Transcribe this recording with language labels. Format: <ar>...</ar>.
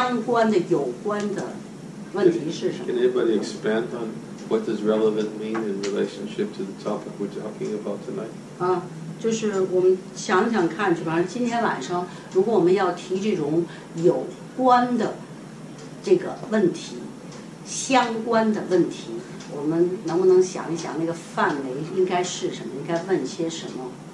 <zh>那这个相关的、有关的问题是什么?</zh> <en>Can anybody expand on what does relevant mean in relationship to the topic we're talking about tonight?</en> <zh>就是我们想想看，反正今天晚上，如果我们要提这种有关的这个问题，相关的问题，我们能不能想一想那个范围应该是什么？应该问些什么？</zh>